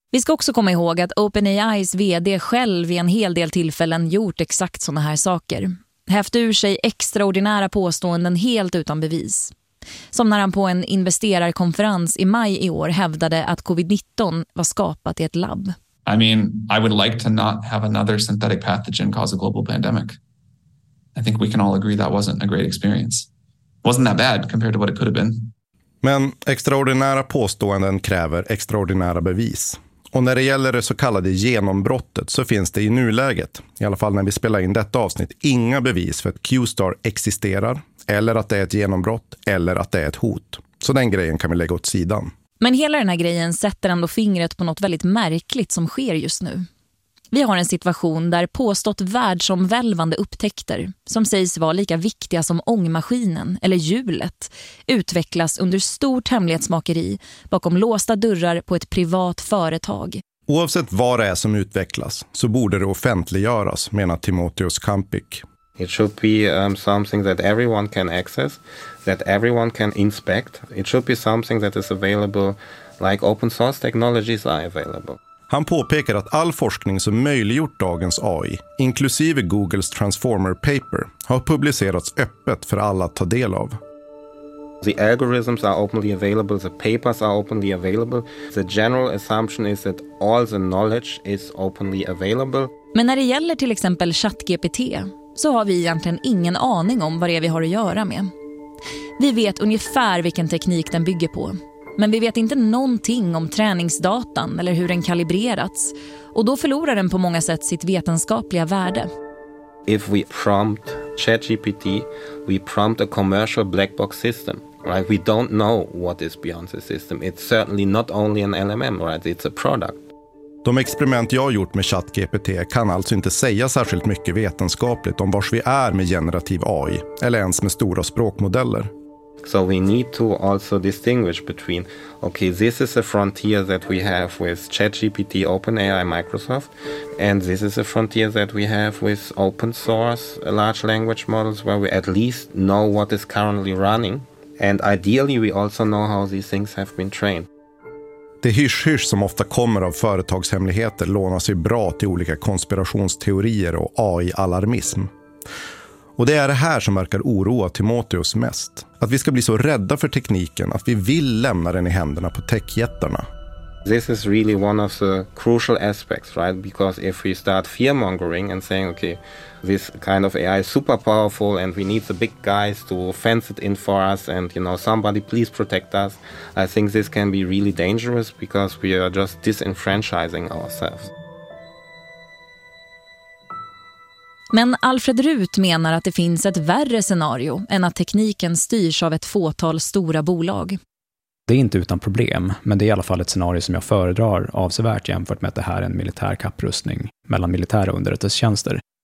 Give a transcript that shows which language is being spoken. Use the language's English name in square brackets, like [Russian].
[Swedish] Vi ska också komma ihåg att OpenAIs vd själv i en hel del tillfällen gjort exakt såna här saker. Häft ur sig extraordinära påståenden helt utan bevis. Som när han på en investerarkonferens i maj i år hävdade att covid-19 var skapat i ett labb. [English] I mean, I would like to not have another synthetic pathogen cause a global pandemic. I think we can all agree that wasn't a great experience. Wasn't that bad compared to what it could have been. [Swedish] Men extraordinära påståenden kräver extraordinära bevis. Och när det gäller det så kallade genombrottet så finns det i nuläget, i alla fall när vi spelar in detta avsnitt, inga bevis för att Q-Star existerar, eller att det är ett genombrott, eller att det är ett hot. Så den grejen kan vi lägga åt sidan. Men hela den här grejen sätter ändå fingret på något väldigt märkligt som sker just nu. Vi har en situation där påstått världsomvälvande upptäckter, som sägs vara lika viktiga som ångmaskinen eller hjulet, utvecklas under stort hemlighetsmakeri bakom låsta dörrar på ett privat företag. Oavsett vad det är som utvecklas så borde det offentliggöras, menar Timotheus Kampik. [English] It should be something that everyone can access, that everyone can inspect. It should be something that is available like open source technologies are available. [Swedish] Han påpekar att all forskning som möjliggjort dagens AI, inklusive Googles Transformer paper, har publicerats öppet för alla att ta del av. [English] The algorithms are openly available, the papers are openly available. The general assumption is that all the knowledge is openly available. [Swedish] Men när det gäller till exempel ChatGPT så har vi egentligen ingen aning om vad det är vi har att göra med. Vi vet ungefär vilken teknik den bygger på. Men vi vet inte någonting om träningsdatan eller hur den kalibrerats. Och då förlorar den på många sätt sitt vetenskapliga värde. [English] If we prompt ChatGPT, we prompt a commercial black box system. Right? We don't know what is beyond the system. It's certainly not only an LMM, right? It's a product. [Swedish] De experiment jag gjort med ChatGPT kan alltså inte säga särskilt mycket vetenskapligt om vars vi är med generativ AI eller ens med stora språkmodeller. [English] So we need to also distinguish between, okay, this is a frontier that we have with ChatGPT, OpenAI, Microsoft, and this is a frontier that we have with open source large language models where we at least know what is currently running, and ideally we also know how these things have been trained. [Swedish] Det hysch-hysch som ofta kommer av företagshemligheter lånar sig bra till olika konspirationsteorier och AI-alarmism. Och det är det här som verkar oroa Timoteus mest. Att vi ska bli så rädda för tekniken att vi vill lämna den i händerna på techjättarna. [English] This is really one of the crucial aspects, right? Because if we start fearmongering and saying, okay, this kind of AI is super powerful and we need the big guys to fence it in for us and, you know, somebody please protect us. I think this can be really dangerous because we are just disenfranchising ourselves. [Swedish] Men Alfred Ruth menar att det finns ett värre scenario än att tekniken styrs av ett fåtal stora bolag. Det är inte utan problem, men det är i alla fall ett scenario som jag föredrar avsevärt jämfört med att det här är en militär kapprustning mellan militära underrättelsetjänster.